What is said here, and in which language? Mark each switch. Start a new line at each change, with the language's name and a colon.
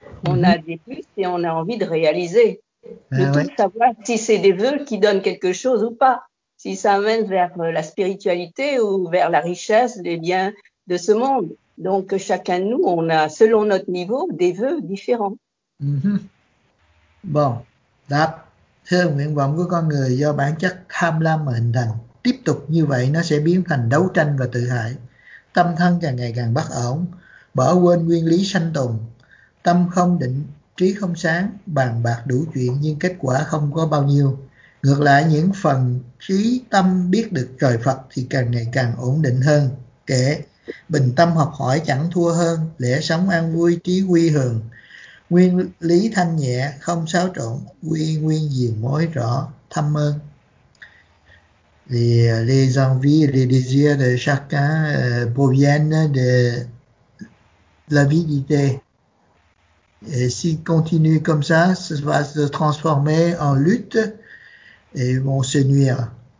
French: On a des plus et on a envie de réaliser. Savoir si c'est des vœux qui donnent quelque chose ou pas. Si ça amène vers la spiritualité ou vers la richesse, les biens de ce monde. Donc, chacun de nous, on a, selon notre niveau, des vœux différents. Mm-hmm. Bon.
Vietnamese: Đáp, thưa nguyện vọng của con người do bản chất tham lam mà hình thành. Tiếp tục như vậy, nó sẽ biến thành đấu tranh và tự hại. Tâm thân càng ngày càng bất ổn, bỏ quên nguyên lý sanh tồn. Tâm không định, trí không sáng, bàn bạc đủ chuyện nhưng kết quả không có bao nhiêu. Ngược lại, những phần trí tâm biết được trời Phật thì càng ngày càng ổn định hơn. Kể, bình tâm học hỏi chẳng thua hơn, lẽ sống an vui trí quy hường. Nguyên lý thanh nhẹ, không xáo trộn, quy nguyên diệu mối rõ, thâm ơn.
French: Les envies, les désirs de chacun proviennent de l'avidité. Et s'ils continuent comme ça, ça va se transformer en lutte et vont se nuire.